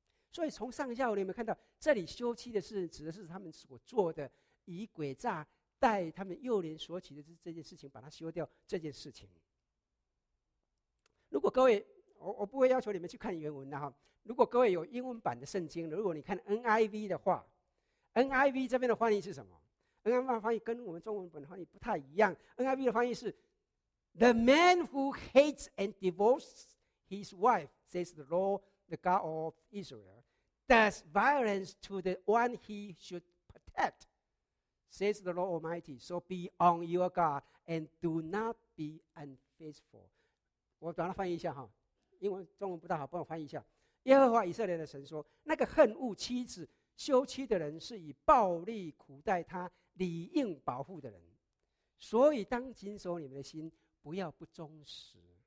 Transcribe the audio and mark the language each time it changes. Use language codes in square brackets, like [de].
[zh] 所以从上下文你们看到，这里休妻的事指的是他们所做的以诡诈待他们幼年所娶的这件事情，把它休掉这件事情。如果各位 我不会要求你们去看原文的哈，如果各位有英文版的圣经，如果你看 NIV 的话， NIV 这边的翻译是什么？ NIV 的翻译跟我们中文本的翻译不太一样。 [en] NIV [zh] 的翻译是 [en] The man who hates and divorces his wife, says the Lord, the God of Israel, does violence to the one he should protect, says the Lord Almighty. So be on your guard and do not be unfaithful. [zh] 我把它翻译一下哈，因为中文不大好，帮我翻译一下。耶和华以色列的神说，那个恨恶妻子休妻的人是以暴力苦待他理应保护的人，所以当谨守你们的心，不要不忠实。